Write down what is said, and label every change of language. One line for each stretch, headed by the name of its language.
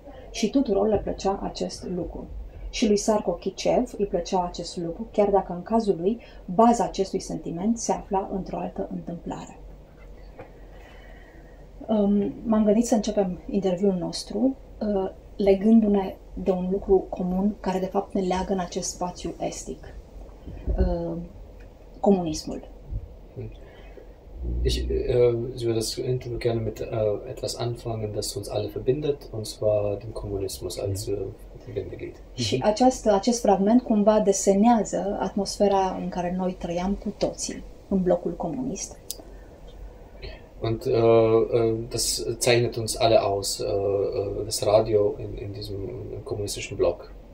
Romanian: Și tuturor le plăcea acest lucru. Și lui Sarko Kichev îi plăcea acest lucru, chiar dacă în cazul lui, baza acestui sentiment se afla într-o altă întâmplare. M-am gândit să începem interviul nostru legându-ne de un lucru comun care de fapt ne leagă în acest spațiu estic. Comunismul.
German: Ich würde das Interview gerne mit etwas anfangen, das uns alle verbindet, und zwar dem Kommunismus als verbindende Glied.
Romanian: Și acest fragment cumva desenează atmosfera în care noi trăiam cu toții, în blocul comunist.
German: Und das zeichnet uns alle aus, das Radio in diesem kommunistischen Block.